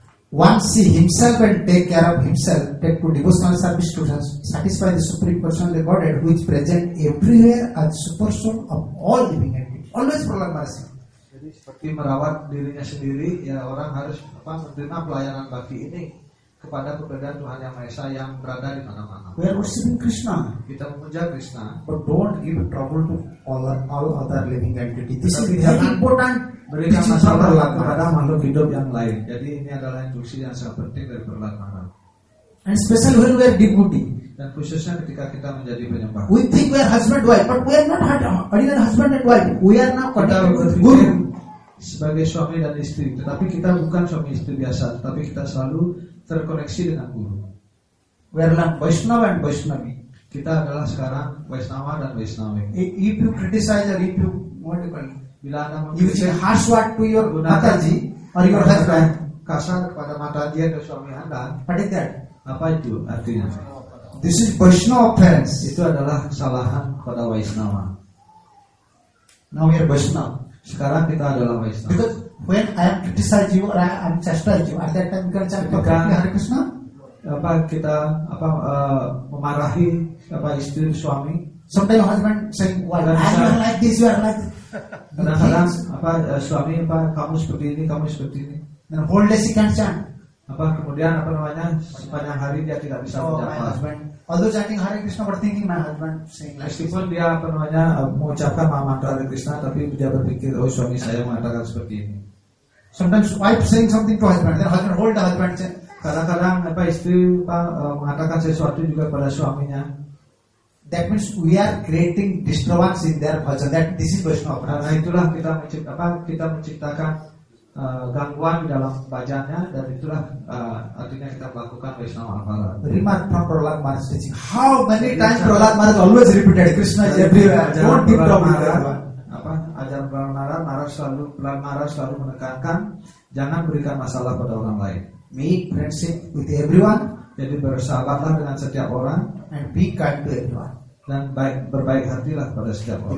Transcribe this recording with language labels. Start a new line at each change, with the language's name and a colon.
English: Once he himself and take care of himself, take to devotional service to satisfy the supreme personality of Godhead, who is present everywhere as the super soul of all living entities. Always Prahlad Maharaj.
Indonesian: Jadi seperti merawat dirinya sendiri, ya orang harus apa menerima pelayanan bhakti ini kepada keberadaan Tuhan Yang Maha Esa yang berada di mana-mana.
English: We are worshiping Krishna.
Indonesian: Kita memuja Krishna.
English: But don't give trouble to all other living entities. This is very important.
Indonesian: Berikan masalah kepada makhluk hidup yang lain. Jadi ini adalah instruksi yang sangat penting dari Prahlad Maharaj.
English: And special when we are devotee.
Indonesian: Dan khususnya ketika kita menjadi penyembah.
English: We think we are husband wife, but we are not ordinary husband and wife. We are now
Indonesian: kita berpikir, guru. sebagai suami dan istri, tetapi kita bukan suami istri biasa, tetapi kita selalu terkoneksi dengan guru.
English: We are like Vaishnava and Vaishnavi.
Indonesian: Kita adalah sekarang Vaishnava dan Vaishnavi.
English: If you criticize or if you what you call it,
Indonesian: bila anda
English: you say harsh word to your Mataji or your husband,
Indonesian: kasar kepada Mataji atau suami anda,
English: what is that?
Indonesian: Apa itu artinya?
English: This is Vaishnava offense.
Indonesian: Itu adalah kesalahan pada Vaishnava.
English: Now we are Vaishnava.
Indonesian: Sekarang kita adalah Vaishnava.
English: Because when I am criticize you or I am chastise you, at that time you can chastise Hare Krishna.
Indonesian: Apa kita apa memarahi apa istri suami?
English: Sometimes husband saying, why? Well, I don't like this. You are like.
Indonesian: Kadang-kadang apa suami apa kamu seperti ini, kamu seperti ini.
English: Then whole day she can't chant.
Indonesian: Apa kemudian apa namanya sepanjang hari dia tidak bisa menjawab.
English: Although chanting Hare Krishna but thinking my husband saying like
Indonesian: meskipun dia apa namanya mengucapkan mantra Hare Krishna tapi dia berpikir oh suami saya mengatakan seperti ini.
English: Sometimes wife saying something to husband, then husband hold the husband.
Indonesian: Kadang-kadang apa istri apa mengatakan sesuatu juga pada suaminya.
English: That means we are creating disturbance in their bhajan. That this is Vaishnava offense.
Indonesian: Nah itulah kita mencipta apa kita menciptakan gangguan dalam bhajannya dan itulah artinya kita melakukan
English: Vaishnava offense. Remark from Prahlad Maharaj teaching. How many times Prahlad Maharaj always repeated Krishna is everywhere. Don't be problem.
Indonesian: Apa ajaran Prahlad Maharaj selalu menekankan jangan berikan masalah pada orang lain.
English: Make friendship with everyone.
Indonesian: Jadi bersahabatlah dengan setiap orang.
English: And be kind to everyone.
Indonesian: Dan baik berbaik hatilah pada setiap orang.